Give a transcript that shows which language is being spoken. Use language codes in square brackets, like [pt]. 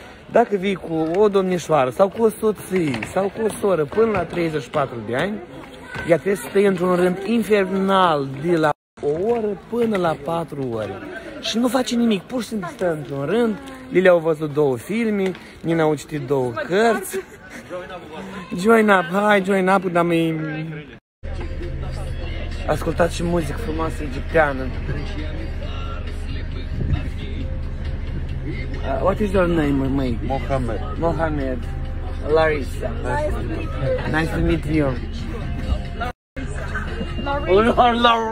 [ro] Dacă vii cu o domnișoară sau cu o soție sau cu o soră până la 34 de ani, ea trebuie să stai într-un rând infernal de la o oră până la 4 ore. Și nu face nimic, pur și simplu stă într-un rând. Lilia a văzut două filme, Nina a citit două cărți. [en] Join up, hai, join up, [ro] dar mai... Ascultați și muzică frumoasă egipteană. [en] What is your name, mate? Mohamed. Mohamed. Larissa. Nice to meet you. Larissa.